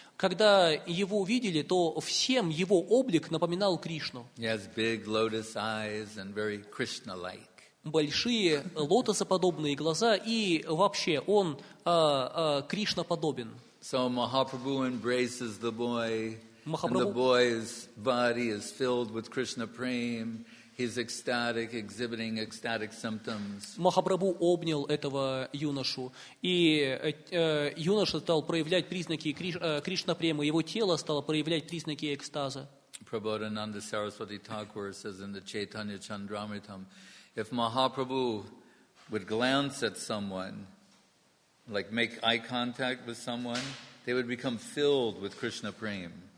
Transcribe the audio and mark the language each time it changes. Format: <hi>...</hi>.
<ru>Когда его видели, то всем его облик напоминал Кришну.</ru> <en>He has big lotus eyes and very Krishna-like.</en> <ru>Большие лотосоподобные глаза, и вообще он Кришна-подобен.</ru> <en>So Mahaprabhu embraces the boy, and the boy's body is filled with Krishna prem. He's ecstatic, exhibiting ecstatic symptoms.</en> <ru>Махапрабху обнял этого юношу, и юноша стал проявлять признаки Кришна-премы, его тело стало проявлять признаки экстаза.</ru> <en>Prabodhananda Saraswati Thakur says in the Chaitanya Chandramitam, if Mahaprabhu would glance at someone, like make eye contact with someone, they would become filled with Krishna-prema.</en>